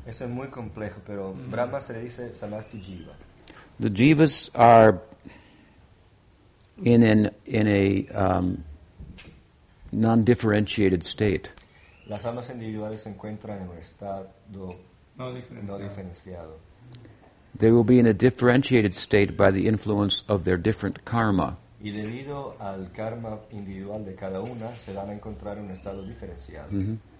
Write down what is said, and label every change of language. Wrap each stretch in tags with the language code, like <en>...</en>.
<es>Esto es muy complejo, pero Brahma se le dice Samasti Jiva.</es> <en>The jivas are in a non-differentiated state.</en> <es>Las almas individuales se encuentran en un estado no diferenciado.</es> <en>They will be in a differentiated state by the influence of their different karma.</en> <es>Y debido al karma individual de cada una, se van a encontrar en un estado diferenciado.</es>